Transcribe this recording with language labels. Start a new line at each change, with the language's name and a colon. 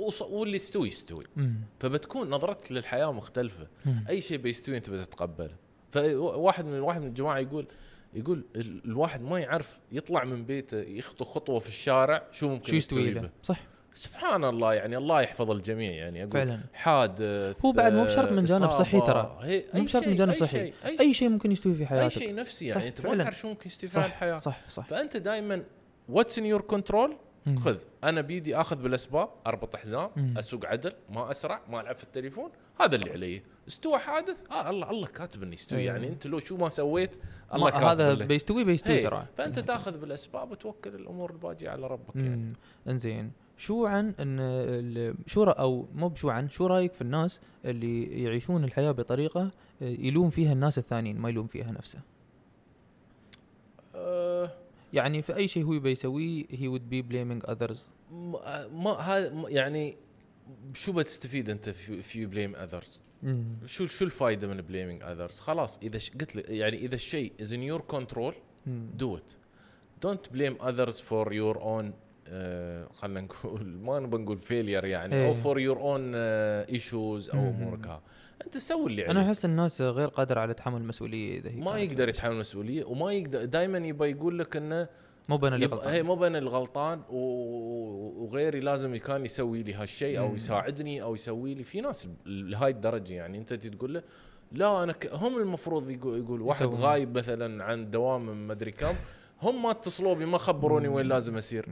Arabic: واللي يستوي يستوي فبتكون نظرتك للحياه مختلفه اي شيء بيستوي انت بتتقبله فواحد من الجماعه يقول الواحد ما يعرف يطلع من بيته يخطو خطوة في الشارع شو ممكن يستوي به صح سبحان الله يعني الله يحفظ الجميع يعني أقول فعلا. حادث هو بعد مو بشرط من جانب صحي ترى مو بشرط من جانب صحي أي شيء ممكن يستوي في حياتك أي شيء نفسي يعني أنت ما تعرف شو ممكن يستوي في الحياة صح فأنت دائما
English: what's in your control
Arabic: خذ انا بيدي اخذ بالاسباب، اربط حزام، اسوق عدل، ما اسرع، ما العب في التليفون، هذا اللي علي. استوى حادث، الله كاتب اني استوي. يعني انت لو شو ما سويت الله كاتب هذا لك. بيستوي ترى. فانت تاخذ بالاسباب وتوكل الامور الباقي على ربك. يعني انزين، شو عن ان شو او مو بشو عن شو رايك في الناس اللي يعيشون الحياه بطريقه يلوم فيها الناس الثانيين ما يلوم فيها نفسه؟ يعني في اي شيء هو بيسويه هي
English: would be blaming others.
Arabic: ما هذا يعني شو بتستفيد انت في
English: blame others؟
Arabic: شو الفائده من
English: blaming others؟
Arabic: خلاص اذا قلت لك يعني اذا الشيء
English: is in your control do it. Don't blame others for your own
Arabic: خلنا نقول ما بنقول
English: failure
Arabic: يعني او
English: for your own issues
Arabic: او امورك. انت سوي اللي عليك. انا احس الناس غير قادر على تحمل المسؤوليه اذا هي ما يقدر يتحمل المسؤوليه وما يقدر دائما يبى يقول لك انه مو بين اللي غلطان. هي مو بين الغلطان وغيري لازم كان يسوي لي هالشيء او يساعدني او يسوي لي. في ناس لهاي الدرجه يعني انت تقول له لا انا هم المفروض يقول واحد غايب مثلا عن دوام ما ادري كم هم ما اتصلوا بي ما خبروني وين لازم اسير.